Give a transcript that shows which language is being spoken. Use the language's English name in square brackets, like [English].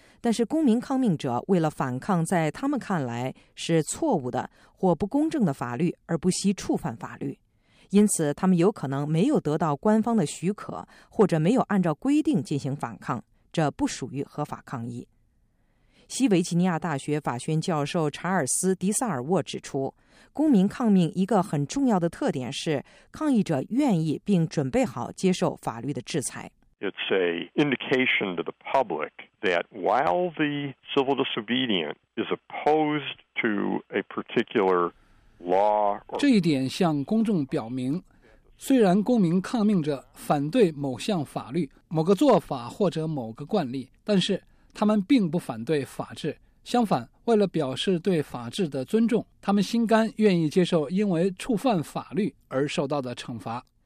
[Chinese] 但是公民抗命者为了反抗在他们看来是错误的或不公正的法律而不惜触犯法律，因此他们有可能没有得到官方的许可或者没有按照规定进行反抗，这不属于合法抗议。西维吉尼亚大学法学教授查尔斯·迪萨尔沃指出，公民抗命一个很重要的特点是抗议者愿意并准备好接受法律的制裁。 [English] It's an indication to the public that while the civil disobedient is opposed to a particular law, [Chinese] 这一点向公众表明，虽然公民抗命者反对某项法律、某个做法或者某个惯例，但是他们并不反对法治。相反，为了表示对法治的尊重，他们心甘愿意接受因为触犯法律而受到的惩罚。